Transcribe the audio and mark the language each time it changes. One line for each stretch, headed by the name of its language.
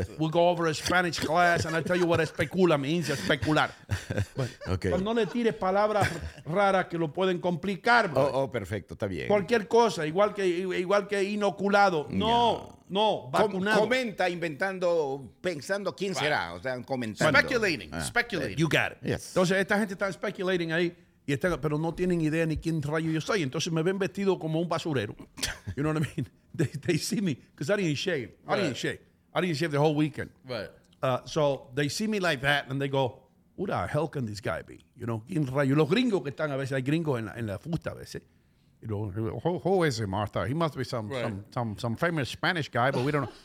English: We'll go over a Spanish class and I'll tell you what especula means, especular. Okay.
Spanish: No le tires palabras raras que lo pueden complicar. Oh, perfecto, está bien. Cualquier cosa, igual que inoculado. No, vacunado. Comenta inventando, pensando quién será. O sea, comentando.
English: Speculating. You got it. Yes.
Spanish: Entonces, esta gente está speculating ahí. Y están, pero no tienen idea ni quién rayo yo soy. Entonces me ven vestido como un basurero.
English: You know what I mean? They see me, because I didn't shave the whole weekend. Right. So they see me like that, and they go, who the hell can this guy be? You know,
Spanish: ¿quién rayo? Los gringos que están a veces, hay gringos en la fusta a veces.
English: You know, who is he, Martha? He must be some famous Spanish guy, but we don't know.